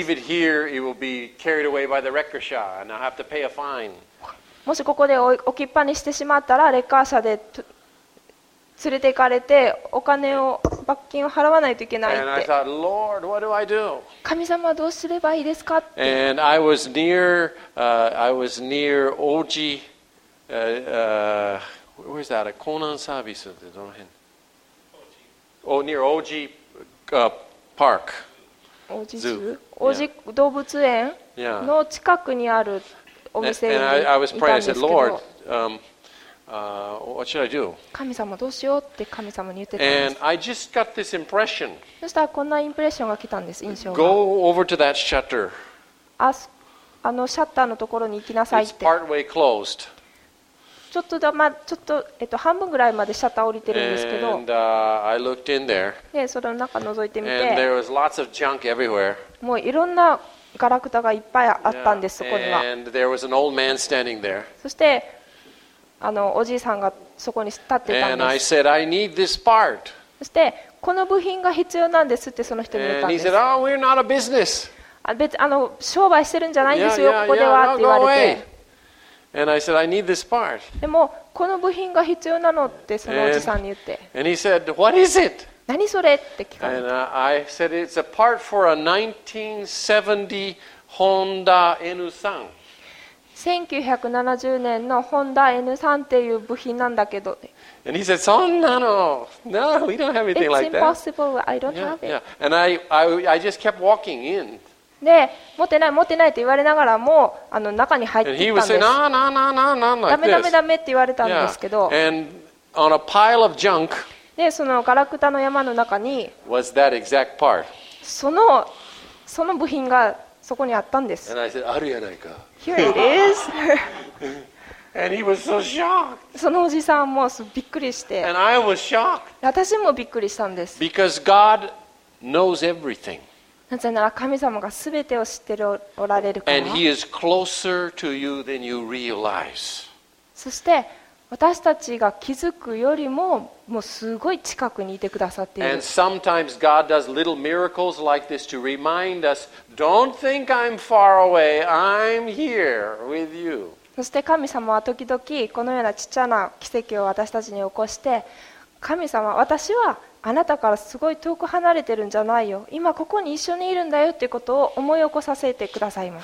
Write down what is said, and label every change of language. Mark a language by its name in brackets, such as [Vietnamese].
[English] If I leave it here, it will be carried away by the wrecker shop, and I have to pay a fine. [Japanese] もしここで置きっぱにしてしまったらレッカー車で連れて行かれてお金を罰金を払わないといけないって。 [English] And I thought, Lord, what do I do? [Japanese] 神様はどうすればいいですかって。 [English] And I was near, I was near Oji, where is that? [Japanese] Konan Service, どの辺? [English] Oh, near Oji, Park. Oji Zoo? [Japanese] Oji 動物園の近くにあるお店にいたんですけど。 [English] And I was praying, I said, Lord, what should I do? [Japanese] 神様どうしようって神様に言ってたんです。 [English] And I just got this impression. [Japanese] そしたらこんなインプレッションが来たんです。印象 [English] が。Go over to that shutter. [Japanese] あのシャッターのところに行きなさいって。 [English] It's partway closed. [Japanese] ちょっとだまちょっと半分ぐらいまでシャッター降りてるんですけど。 [English] And I looked in there. [Japanese] でその中覗いてみて。 [English] And there was lots of junk everywhere. [Japanese] もういろんなガラクタがいっぱいあったんです。そこには。 [English] And there was an old man standing there. [Japanese] そしてあのおじいさんがそこに立ってたんです。 [English] And I said, I this part. [Japanese] そしてこの部品が必要なんですってその人に言ったんです。 [English] And he said, oh, [Japanese] あ別あの商売してるんじゃないんですよ [English] yeah, [Japanese] ここでは [English] yeah, [Japanese] って言われて。 [English] And I said, I need this part. [Japanese] でもこの部品が必要なのってそのおじさんに言って。 [English] And he said, what is it? [Japanese] 何それって聞かれて。 [English] And I said, it's a part for a 1970 Honda N3. [Japanese] 1970年のホンダ N3 っていう部品なんだけど。 [English] And he said, [Japanese] そんなの [English] No, we don't have anything like that. It's impossible. I don't yeah, have it. Yeah. And I just kept walking in. [Japanese] で、持ってない、持ってないって言われながらも、あの中に入っていったんです。 [English] And he would say, no, no, no, no, no, like this. [Japanese] ダメダメダメって言われたんですけど。 [English] Yeah. And on a pile of junk [Japanese] で、そのガラクタの山の中に、 [English] was that exact part. [Japanese] その部品がそこにあったんです。 [English] And I said, [Japanese] あるやないか。 [English] Here it is. And he was so shocked. [Japanese] そのおじさんもびっくりして。 [English] And I was shocked. [Japanese] 私もびっくりしたんです。 [English] Because God knows everything. [Japanese] なぜなら神様がすべてを知っておられるから。 [English] And he is closer to you than you realize. [Japanese] そして私たちが気づくよりも、もうすごい近くにいてくださっている。 [English] And sometimes God does little miracles like this to remind us, don't think I'm far away, I'm here with you. [Japanese] そして神様は時々このようなちっちゃな奇跡を私たちに起こして、神様、私はあなたからすごい遠く離れてるんじゃないよ。今ここに一緒にいるんだよということを思い起こさせてくださいます。